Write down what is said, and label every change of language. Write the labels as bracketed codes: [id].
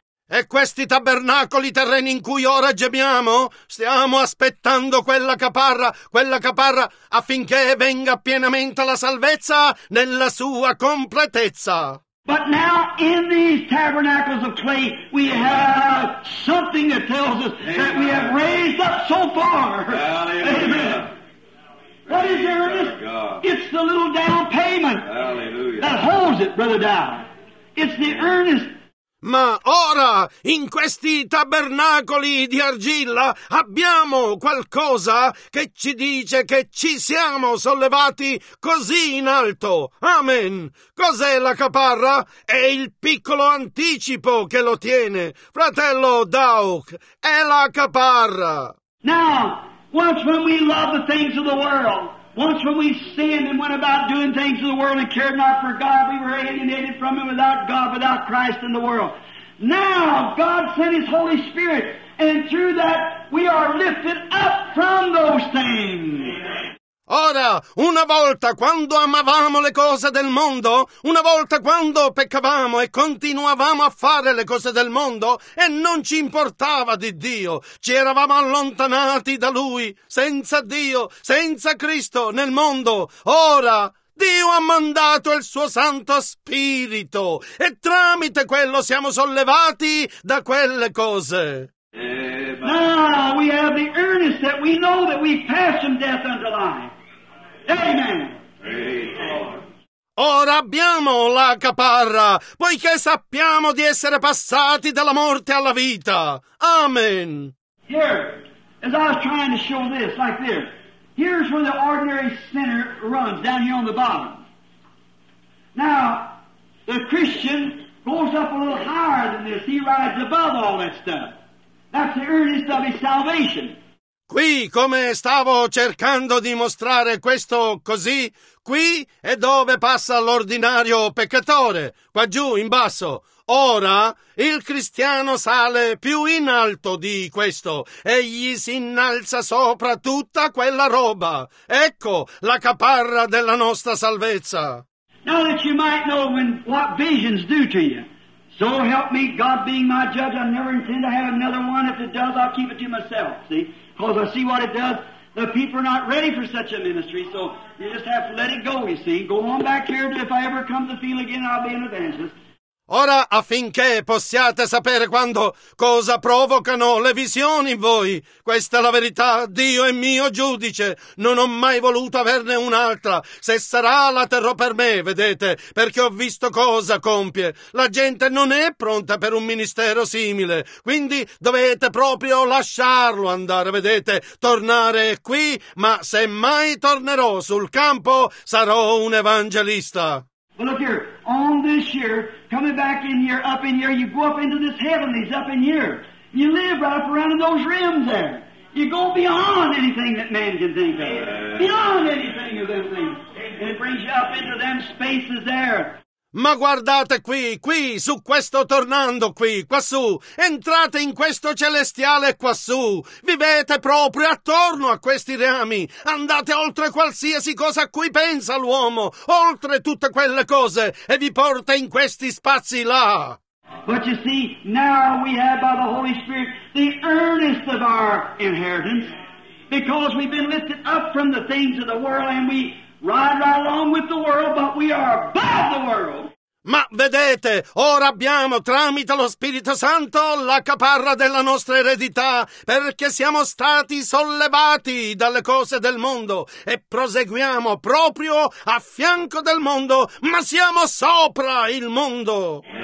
[it] E questi tabernacoli terreni in cui ora gemiamo, stiamo aspettando quella caparra, affinché venga pienamente la salvezza nella sua completezza. [en] But now in these tabernacles of clay, we have something that tells us Amen. That we have raised up so far. Hallelujah. Amen. What is your earnest? It's the little down payment Hallelujah. That holds it, Brother Dow. It's the earnest. [it] Ma ora, in questi tabernacoli di argilla, abbiamo qualcosa che ci dice che ci siamo sollevati così in alto. Amen. Cos'è la caparra? È il piccolo anticipo che lo tiene. Fratello Dauk, è la caparra. [en] Now, once when we love the things of the world, once when we sinned and went about doing things of the world and cared not for God, we were alienated from Him without God, without Christ in the world. Now God sent His Holy Spirit, and through that we are lifted up from those things. Amen. [it] Ora, una volta quando amavamo le cose del mondo, una volta quando peccavamo e continuavamo a fare le cose del mondo e non ci importava di Dio, ci eravamo allontanati da Lui, senza Dio, senza Cristo nel mondo. Ora, Dio ha mandato il suo Santo Spirito e tramite quello siamo sollevati da quelle cose. [en] Now we have the earnest that we know that we pass from death unto life. Amen. Amen. [it] Ora abbiamo la caparra, poiché sappiamo di essere passati dalla morte alla vita. [en] Amen. Here, as I was trying to show this, like this. Here's where the ordinary sinner runs, down here on the bottom. Now, the Christian goes up a little higher than this. He rides above all that stuff. That's the earnest of his salvation. [it] Qui, come stavo cercando di mostrare questo così, qui è dove passa l'ordinario peccatore, qua giù, in basso. Ora, il cristiano sale più in alto di questo, egli si innalza sopra tutta quella roba. Ecco la caparra della nostra salvezza. [en] Now that you might know when, what visions do to you. So help me, God being my judge, I never intend to have another one. If it does, I'll keep it to myself, see? Because I see what it does. The people are not ready for such a ministry, so you just have to let it go, you see. Go on back here, and if I ever come to feel again, I'll be an evangelist. [it] Ora, affinché possiate sapere quando cosa provocano le visioni in voi, questa è la verità, Dio è mio giudice, non ho mai voluto averne un'altra, se sarà la terrò per me, vedete, perché ho visto cosa compie, la gente non è pronta per un ministero simile, quindi dovete proprio lasciarlo andare, vedete, tornare qui, ma se mai tornerò sul campo, sarò un evangelista. [en] Well, look here, on this year, coming back in here, up in here, you go up into this heaven, he's up in here. You live right up around in those rims there. You go beyond anything that man can think of. Beyond anything of them things. And it brings you up into them spaces there. [it] Ma guardate qui, qui, su questo tornando qui, quassù, entrate in questo celestiale quassù, vivete proprio attorno a questi reami, andate oltre qualsiasi cosa a cui pensa l'uomo, oltre tutte quelle cose, e vi porta in questi spazi là. [en] But you see, now we have by the Holy Spirit the earnest of our inheritance, because we've been lifted up from the things of the world and we... Ride right along with the world, but we are above the world. [it] Ma vedete, ora abbiamo tramite lo Spirito Santo la caparra della nostra eredità, perché siamo stati sollevati dalle cose del mondo e proseguiamo proprio a fianco del mondo, ma siamo sopra il mondo.